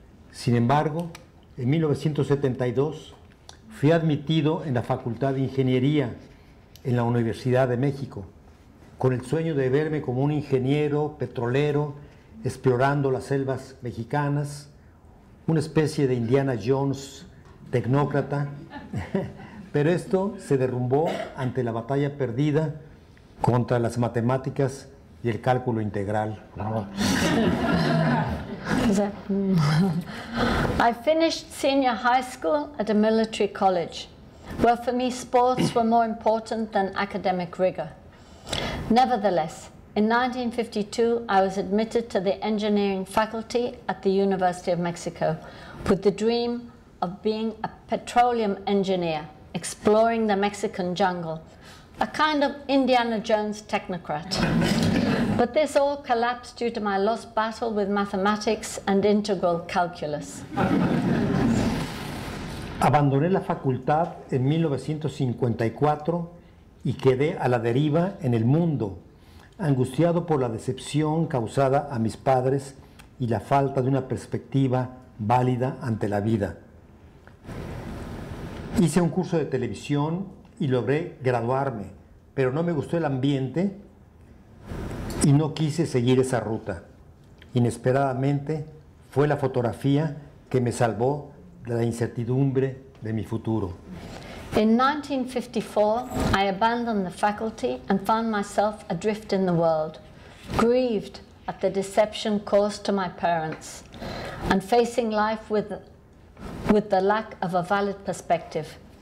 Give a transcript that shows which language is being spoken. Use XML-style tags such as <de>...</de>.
<es>Sin embargo, en 1972 fui admitido en la Facultad de Ingeniería en la Universidad de México con el sueño de verme como un ingeniero petrolero explorando las selvas mexicanas, una especie de Indiana Jones tecnócrata, pero esto se derrumbó ante la batalla perdida contra las matemáticas y el cálculo integral.</es> <en>I finished senior high school at a military college, where for me sports were more important than academic rigor. Nevertheless, in 1952, I was admitted to the engineering faculty at the University of Mexico with the dream of being a petroleum engineer, exploring the Mexican jungle, a kind of Indiana Jones technocrat. But this all collapsed due to my lost battle with mathematics and integral calculus.</en> <es>Abandoné la facultad en 1954 y quedé a la deriva en el mundo, angustiado por la decepción causada a mis padres y la falta de una perspectiva válida ante la vida. Hice un curso de televisión y logré graduarme, pero no me gustó el ambiente y no quise seguir esa ruta. Inesperadamente, fue la fotografía que me salvó de la incertidumbre de mi futuro.</es> <en>In 1954, I abandoned the faculty and found myself adrift in the world, grieved at the deception caused to my parents, and facing life with the lack of a valid perspective.</en>